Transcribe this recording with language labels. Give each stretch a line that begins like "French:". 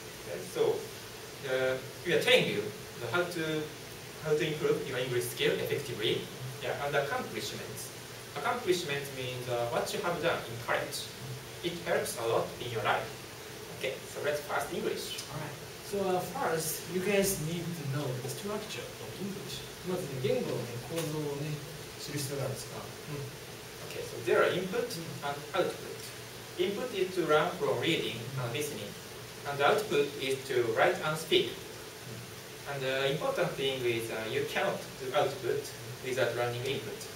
English: Okay, so we are telling you how to improve your English skill effectively. Yeah, and accomplishments. Accomplishment means what you have done in college. It helps a lot in your life. Okay, so let's fast English. All right. So first, you guys need to know the structure of English.
Japanese: まず言語の構造を、ね、知る必要があるんですか、
English: Okay, so there are input and output. Input is to learn from reading and listening. And output is to write and speak. And the important thing is you cannot do output without learning input.